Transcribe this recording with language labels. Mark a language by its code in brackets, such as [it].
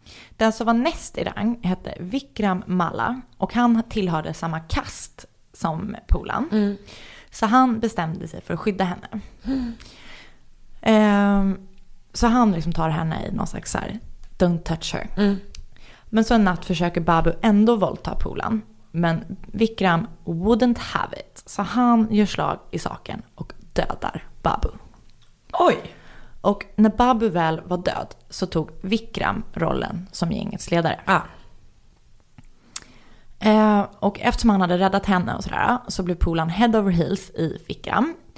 [sv] Den som var näst i rang hette Vikram Malla och han tillhörde samma kast som Polan. Mm. Så han bestämde sig för att skydda henne. Mm. Så han liksom tar henne i någon slags så här, [en] don't touch her. [sv] Mm. Men så en natt försöker Babu ändå våldta Polan. Men [en] Vikram wouldn't have it. [sv] Så han gör slag i saken och dödar Babu. Oj! Och när Babu väl var död så tog Vikram rollen som gängets ledare. Ah. Och eftersom han hade räddat henne och sådär, så blev Polan [en] head over heels [sv] i Vikram.